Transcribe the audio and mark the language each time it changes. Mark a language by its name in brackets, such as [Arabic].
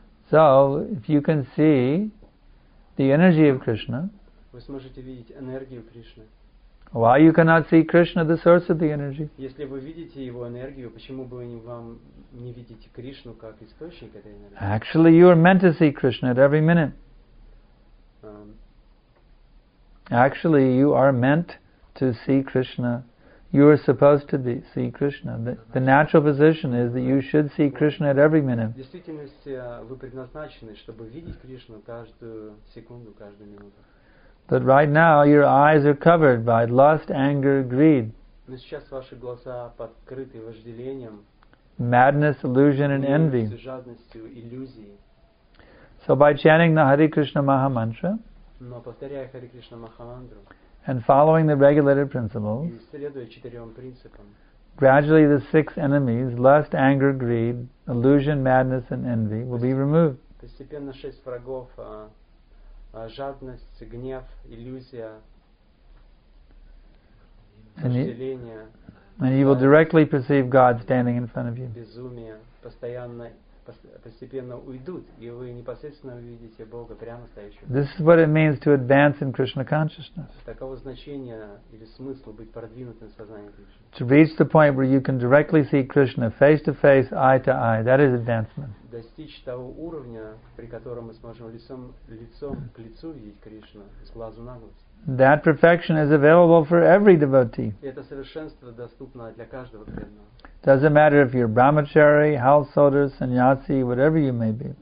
[English] So, if you can see the energy of Krishna, [Russian] вы сможете видеть энергию Кришны. [English] Why you cannot see Krishna, the source of the energy? [Russian] Если вы видите его энергию, почему бы вам не видеть Кришну как источник этой энергии? [English] Actually, you are meant to see Krishna at every minute. Actually, you are meant to see Krishna. You are supposed to see Krishna. The natural position is that you should see Krishna at every minute. [Russian] В действительности, вы предназначены, чтобы видеть Кришну каждую секунду, каждую минуту. [English] But right now your eyes are covered by lust, anger, greed. [Russian] Но сейчас ваши глаза подкрыты вожделением. [English] Madness, illusion, and envy. [Russian] С жадностью, иллюзией. [English] So by chanting the Hare Krishna Maha Mantra, [Russian] но повторяя Hare Krishna Maha Mantra, [English] and following the regulated principles, [Russian] и следуя четырем принципам, [English] gradually the six enemies, lust, anger, greed, illusion, madness, and envy, will be removed. [Russian] Постепенно шесть врагов, жадность, гнев, иллюзия, вожделение. [English] And you will directly perceive God standing in front of you. [Russian] Безумие постоянно, постепенно уйдут, и вы непосредственно увидите Бога прямо стоящего. [English] This is what it means to advance in Krishna consciousness. [Russian] Таково значение или смысл быть продвинутым в сознании Кришны. [English] To reach the point where you can directly see Krishna face to face, eye to eye, that is advancement. [Russian] Достичь того уровня, при котором мы сможем лицом к лицу видеть Кришну, с глазу на глаз. [English] That perfection is available for every devotee. [Russian] Это совершенство доступно для каждого преданного. [English] Doesn't matter if you're brahmachari, householder, sannyasi, whatever you may be.